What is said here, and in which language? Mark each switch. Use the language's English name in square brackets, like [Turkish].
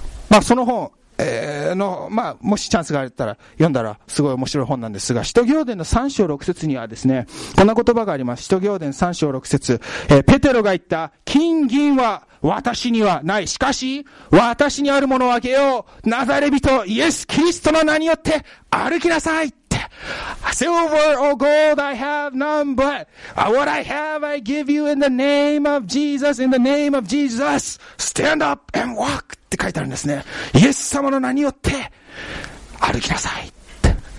[Japanese] まあその本、もしチャンスがあったら読んだらすごい面白い本なんですが、使徒行伝の3章6節にはですね、こんな言葉があります。使徒行伝3章6節、ペテロが言った、金銀は私にはない、しかし私にあるものをあげよう、ナザレ人イエスキリストの名によって歩きなさい。 [English] Silver or gold I have none, but what I have I give you in the name of Jesus, in the name of Jesus, stand up and walk [Japanese] って書いてあるんですね。イエス様の名によって歩きなさいって。